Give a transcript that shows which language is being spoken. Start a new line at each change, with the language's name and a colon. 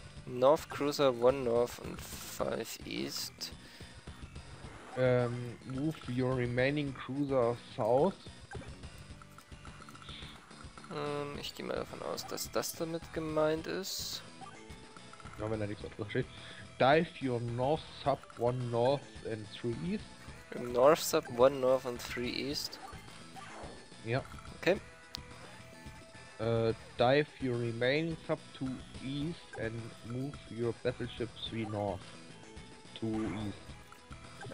English: North Cruiser 1 North and 5 East. Move your remaining Cruiser South.
German: Ich gehe mal davon aus, dass das damit gemeint ist. Ja, wenn da nichts drauf steht.
English: Dive your North Sub 1 North and 3 East. North Sub 1 North and 3 East.
German: Ja. Okay.
English: Dive your remaining Sub 2 East and move your battleship 3 North to East.